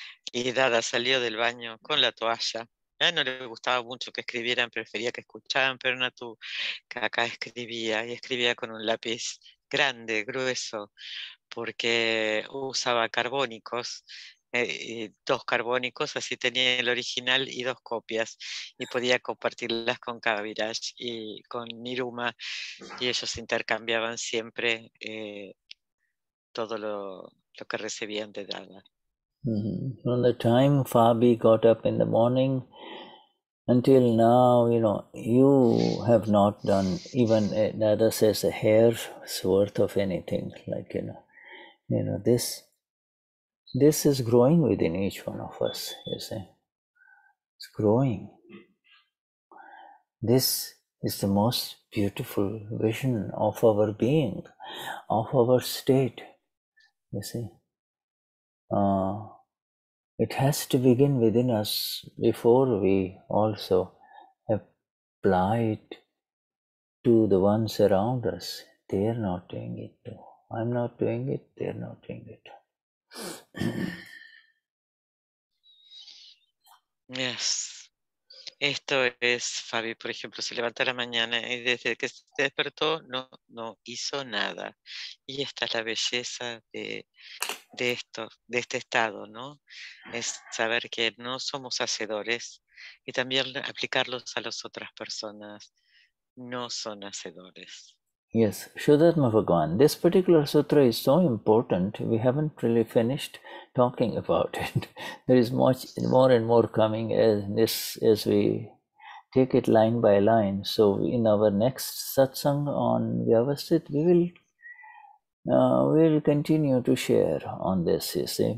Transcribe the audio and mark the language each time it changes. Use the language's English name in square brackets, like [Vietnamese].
[Spanish] Y Dada salió del baño con la toalla. Ya no le gustaba mucho que escribieran, prefería que escucharan, pero Natu, que acá escribía, y escribía con un lápiz grande, grueso, porque usaba carbónicos, dos carbónicos, así tenía el original y dos copias, y podía compartirlas con Kaviraj y con Niruma, y ellos intercambiaban siempre todo lo que recibían de Dada. [English] From the time Fabi got up in the morning until now, you know, you have not done even, Dada says, a hair's worth of anything. Like, you know, this is growing within each one of us, you see. It's growing. This is the most beautiful vision of our being, of our state, you see. It has to begin within us before we also apply it to the ones around us, they are not doing it too. I'm not doing it, they're not doing it. Yes. [Spanish] Esto es Fabi, por ejemplo, se levanta a la mañana y desde que se despertó no hizo nada. Y esta es la belleza de esto, de este estado, ¿no? Es saber que no somos hacedores y también aplicarlos a las otras personas no son hacedores. [English] Yes, Shuddhatma Bhagavan, this particular sutra is so important, we haven't really finished talking about it. There is much more and more coming as this as we take it line by line. So in our next satsang on Vyavasthit, we will continue to share on this, you see.